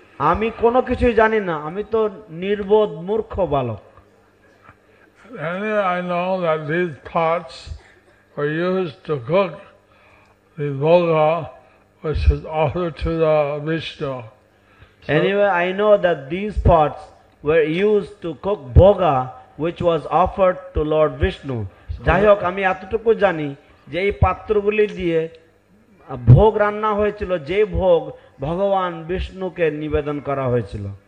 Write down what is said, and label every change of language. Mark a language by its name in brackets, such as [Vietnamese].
[Bangla] আমি কোনো কিছুই জানি না, আমি তো নির্বোধ মূর্খ বালক। [English] I know that these pots were used to cook the bhoga which was offered to the Vishnu. Anyway, I know that these pots were used to cook bhoga which was offered to Lord Vishnu. [Bangla] যাই হোক, আমি এতটুকু জানি যে এই পাত্রগুলি দিয়ে ভোগ রান্না হয়েছিল, যে ভোগ ভগবান বিষ্ণুকে নিবেদন করা হয়েছিল।